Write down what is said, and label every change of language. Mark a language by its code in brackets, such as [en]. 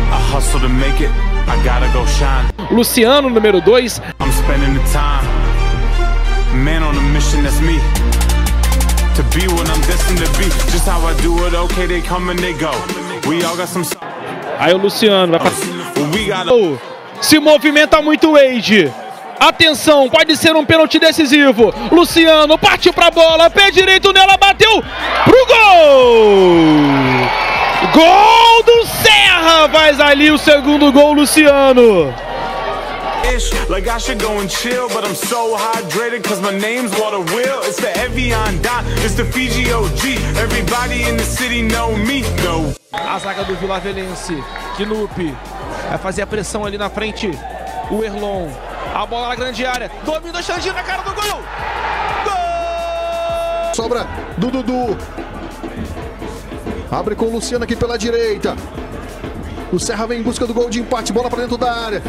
[en] hustle to make it, I gotta go shine. Luciano, [pt] número 2. [en] I'm spending the time. Man on a mission, that's me. To be what I'm destined to be. Just how I do it, okay, they come and they go. We all got some. [pt] Aí o Luciano vai passar. Oh, se movimenta muito o Wade. Atenção, pode ser um pênalti decisivo. Luciano partiu pra bola, pé direito nela, bateu pro gol! Gol do Serra! Faz ali o segundo gol, Luciano. [en] Like I should go and chill, but I'm so hydrated cause my name's Water Will. It's the Evian Dot, it's the Fiji OG. Everybody in the city know me, go. [pt] A zaga do Vilavelense, Knupe, vai fazer a pressão ali na frente, o Erlon. A bola na grande área, domina o Xandinho na cara do gol. Gol! Sobra do Dudu. Abre com o Luciano aqui pela direita. O Serra vem em busca do gol de empate, bola para dentro da área.